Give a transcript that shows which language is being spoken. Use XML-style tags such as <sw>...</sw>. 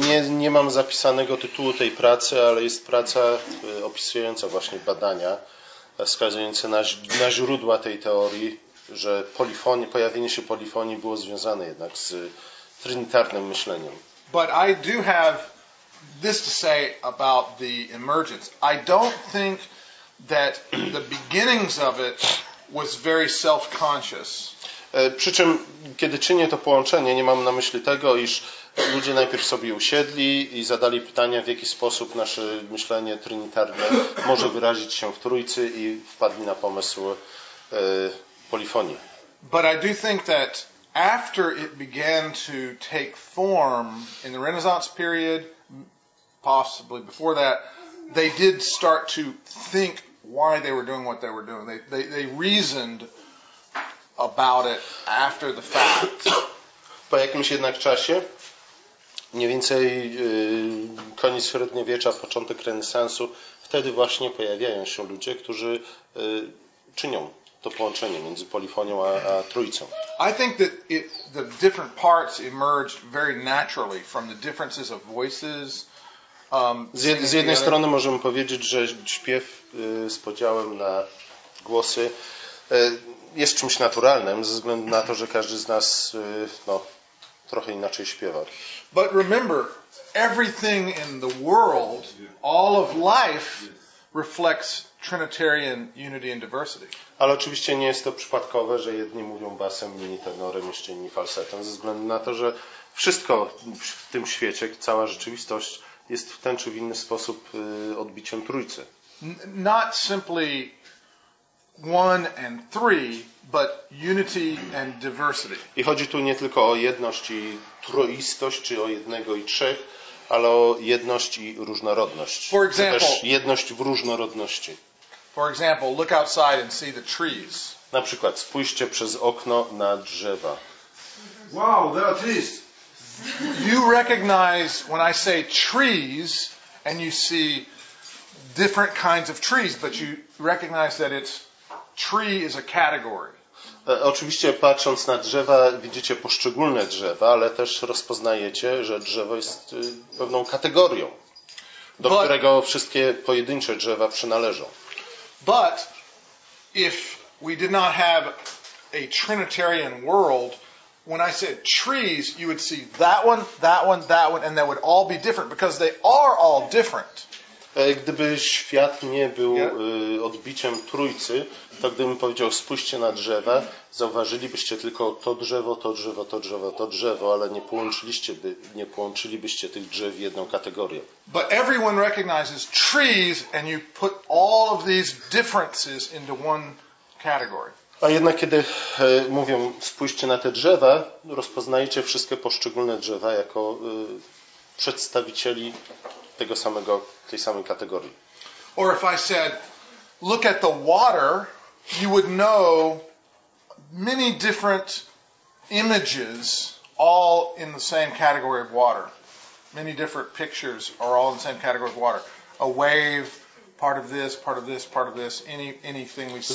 <pl>Nie mam zapisanego tytułu tej pracy, ale jest praca opisująca właśnie badania, wskazujące na źródła tej teorii, że pojawienie się polifonii było związane jednak z trynitarnym myśleniem.</pl> <en>But I do have this to say about the emergence. I don't think that the beginnings of it was very self-conscious.</en> <pl>Przy czym, kiedy czynię to połączenie, nie mam na myśli tego, iż ludzie najpierw sobie usiedli i zadali pytania, w jaki sposób nasze myślenie trynitarne może wyrazić się w Trójcy i wpadli na pomysł polifonii.</pl> <en>But I do think that after it began to take form in the Renaissance period, possibly before that, they did start to think why they were doing what they were doing. They reasoned about it after the fact.</en> <pl>Po jakimś jednak czasie, mniej więcej koniec średniowiecza, początek renesansu, wtedy właśnie pojawiają się ludzie, którzy czynią to połączenie między polifonią a trójcą.</pl> <en>I think that the different parts emerged very naturally from the differences of voices.</en> <pl>Z jednej strony możemy powiedzieć, że śpiew z podziałem na głosy jest czymś naturalnym ze względu na to, że każdy z nas trochę inaczej śpiewa.</pl> <en>But remember, everything in the world, all of life reflects Trinitarian unity and diversity.</en> <pl>Ale oczywiście nie jest to przypadkowe, że jedni mówią basem, inni tenorem, jeszcze inni falsetem, ze względu na to, że wszystko w tym świecie, cała rzeczywistość jest w ten czy w inny sposób odbiciem Trójcy.</pl> <en>Not simply one and three, but unity and diversity.</en> <pl>I chodzi tu nie tylko o jedność i troistość, czy o jednego i trzech, ale o jedność i różnorodność.</pl> <en>For example,</en> <pl>też jedność w różnorodności.</pl> <en>For example, look outside and see the trees.</en> <pl>Na przykład, spójrzcie przez okno na drzewa.</pl> <en>Wow, there are trees. You recognize when I say trees and you see different kinds of trees, but you recognize that it's tree is a category.</en> <pl>Oczywiście patrząc na drzewa widzicie poszczególne drzewa, ale też rozpoznajecie, że drzewo jest pewną kategorią, do którego wszystkie pojedyncze drzewa przynależą.</pl> <en>But if we did not have a Trinitarian world, when I said trees, you would see that one, and they would all be different because they are all different.</en> <pl>Gdyby świat nie był odbiciem Trójcy, to gdybym powiedział spójrzcie na drzewa, zauważylibyście tylko to drzewo, to drzewo, to drzewo, to drzewo, ale nie połączylibyście tych drzew w jedną kategorię.</pl> <en>But everyone recognizes trees and you put all of these differences into one category.</en> <pl>A jednak kiedy mówią spójrzcie na te drzewa, rozpoznajecie wszystkie poszczególne drzewa jako przedstawicieli tego samego, tej samej kategorii.</pl> <en>Or if I said look at the water, you would know many different images all in the same category of water. Many different pictures are all in the same category of water. A wave, part of this, part of this, part of this, anything we see.</en>